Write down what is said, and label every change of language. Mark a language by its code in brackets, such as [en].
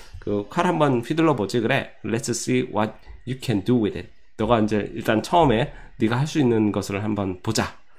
[ko] 그칼 한번 휘둘러 보지 그래. [en] Let's see what you can do with it. [ko] 너가 이제 일단 처음에 네가 할수 있는 것을 한번 보자.